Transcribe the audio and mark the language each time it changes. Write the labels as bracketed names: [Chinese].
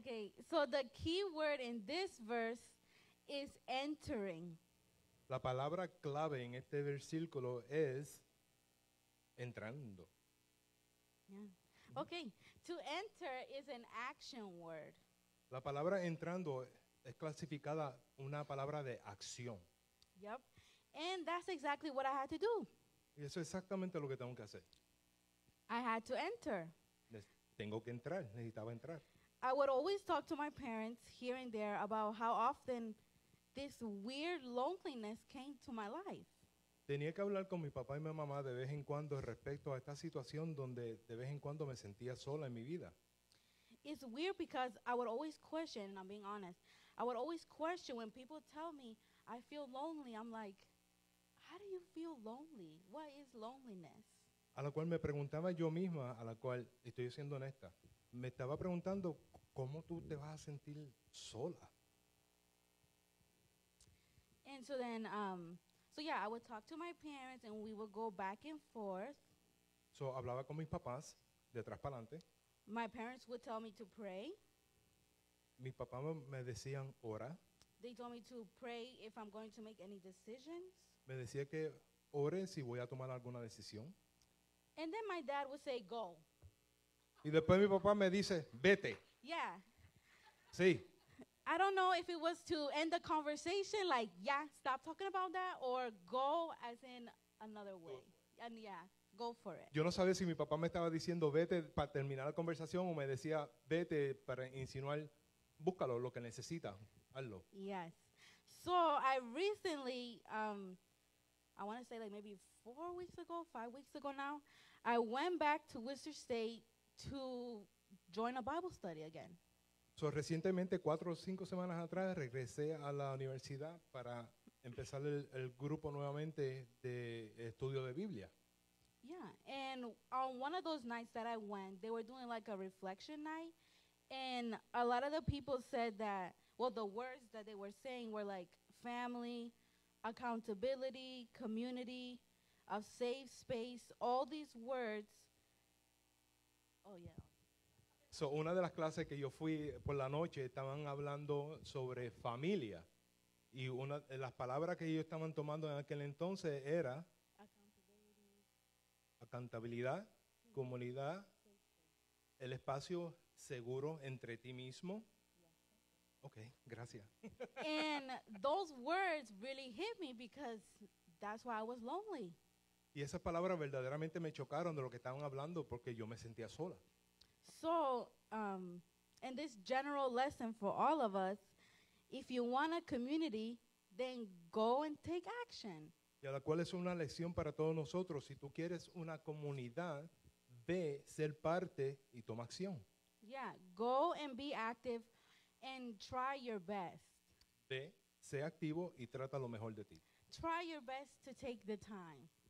[English] Okay, so the key word in this verse is entering. [Spanish] La palabra clave en este versículo es entrando. [English] Yeah. Okay, to enter is an action word. [Spanish] La palabra entrando es clasificada una palabra de acción. [English] Yep, and that's exactly what I had to do. [Spanish] Y eso es exactamente lo que tengo que hacer. [English] I had to enter. [Spanish] Tengo que entrar, necesitaba entrar. [English] I would always talk to my parents here and there about how often this weird loneliness came to my life. [Spanish] Tenía que hablar con mi papá y mi mamá de vez en cuando respecto a esta situación donde de vez en cuando me sentía sola en mi vida. [English] It's weird because I would always question, and I'm being honest, I would always question when people tell me I feel lonely, I'm like, how do you feel lonely? What is loneliness? [Spanish] A la cual me preguntaba yo misma, a la cual estoy siendo honesta, me estaba preguntando, ¿cómo tú te vas a sentir sola? [English] And so then, so yeah, I would talk to my parents and we would go back and forth. [Spanish] So hablaba con mis papás de atrás para adelante. [English] My parents would tell me to pray. [Spanish] Mi papá me decían ora. [English] They told me to pray if I'm going to make any decisions. [Spanish] Me decía que ore si voy a tomar alguna decisión. [English] And then my dad would say go. [Spanish] Y después mi papá me dice, vete. [English] Yeah. [Spanish] Sí. [English] I don't know if it was to end the conversation, like, yeah, stop talking about that, or go as in another way. And yeah, go for it. [Spanish] Yo no sabía si mi papá me estaba diciendo, vete, para terminar la conversación, o me decía, vete, para insinuar, búscalo, lo que necesita, hazlo. [English] Yes. So I recently, I want to say like maybe 4 weeks ago, 5 weeks ago now, I went back to Worcester State to join a Bible study again. [Spanish] So recientemente, 4 o 5 semanas atrás, regresé a la universidad para empezar el grupo nuevamente de estudio de Biblia. [English] Yeah, and on one of those nights that I went, they were doing like a reflection night, and a lot of the people said that, well, the words that they were saying were like family, accountability, community, a safe space, all these words. Oh, yeah. [Spanish] So, una de las clases que yo fui por la noche, estaban hablando sobre familia. Y una de las palabras que ellos estaban tomando en aquel entonces era accountability, comunidad, el espacio seguro entre ti mismo. Okay, gracias. [English] And those words really hit me because that's why I was lonely. [Spanish] Y esas palabras verdaderamente me chocaron de lo que estaban hablando porque yo me sentía sola. [English] So, and this general lesson for all of us, if you want a community, then go and take action. [Spanish] Y a la cual es una lección para todos nosotros. Si tú quieres una comunidad, ve, ser parte y toma acción. [English] Yeah, go and be active. And try your best. [Spanish] Ve, sé activo y trata lo mejor de ti. [English] Try your best to take the time.